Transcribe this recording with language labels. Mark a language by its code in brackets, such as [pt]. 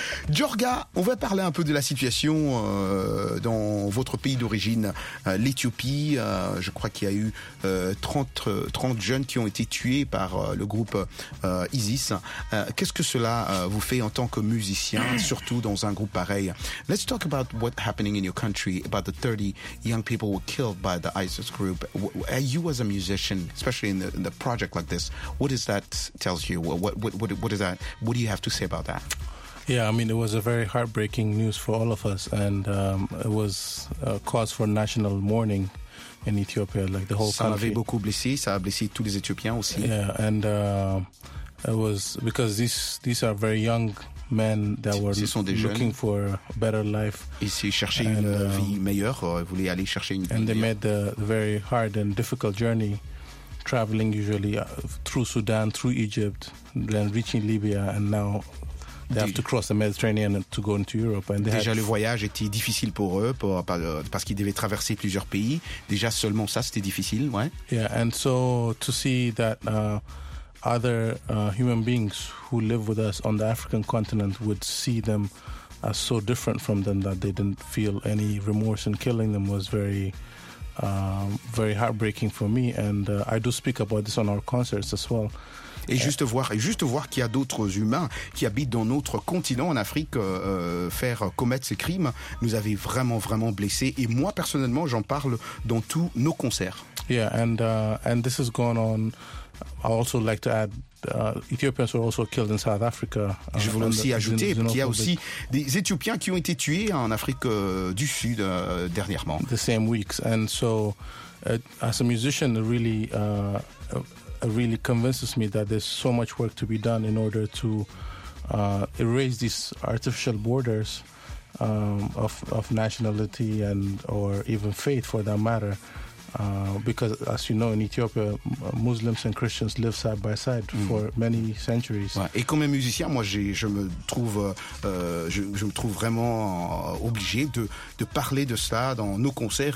[fr] Jorga, on va parler un peu de la situation dans votre pays d'origine, l'Éthiopie. Je crois qu'il y a eu 30 jeunes qui ont été tués par le groupe ISIS. Qu'est-ce que cela vous fait en tant que musicien, surtout dans un groupe pareil? [en] Let's talk about what happening in your country, about the 30 young people were killed by the ISIS group. You as a musician, especially in the project like this, what does that tells you? What do you have to say about that? Yeah, I mean, it was a very heartbreaking news for all of us, and it was a cause for national mourning in Ethiopia, like the whole country. [fr] Ça avait beaucoup blessé, ça a blessé tous les Éthiopiens aussi. [en] Yeah, and it was because these are very young men that were looking for a better life. [fr] Ils cherchaient une vie meilleure, ils voulaient aller chercher une vie meilleure. [en] And they made the very hard and difficult journey, traveling usually through Sudan, through Egypt, then reaching Libya, and now they have to cross the Mediterranean to go into Europe. And [fr] déjà, le voyage était difficile pour eux, parce qu'ils devaient traverser plusieurs pays. Déjà, seulement ça, c'était difficile, ouais. [en] Yeah, and so to see that other human beings who live with us on the African continent would see them as so different from them that they didn't feel any remorse in killing them was very, very heartbreaking for me. And I do speak about this on our concerts as well. [fr] Et juste voir qu'il y a d'autres humains qui habitent dans notre continent en Afrique faire commettre ces crimes nous avait vraiment vraiment blessé, et moi personnellement j'en parle dans tous nos concerts. [en] Yeah, and this is going on. I also like to add Ethiopians were also killed in South Africa. [fr] Je voulais aussi ajouter qu'il y a aussi des Éthiopiens qui ont été tués en Afrique du Sud dernièrement. [en] The same weeks, and so as a musician really really convinces me that there's so much work to be done in order to erase these artificial borders of nationality and or even faith for that matter. Because as you know, in Ethiopia, Muslims and Christians live side by side for many centuries. [fr] Ouais. Et comme musicien, moi, je me trouve vraiment obligé de parler de ça dans nos concerts.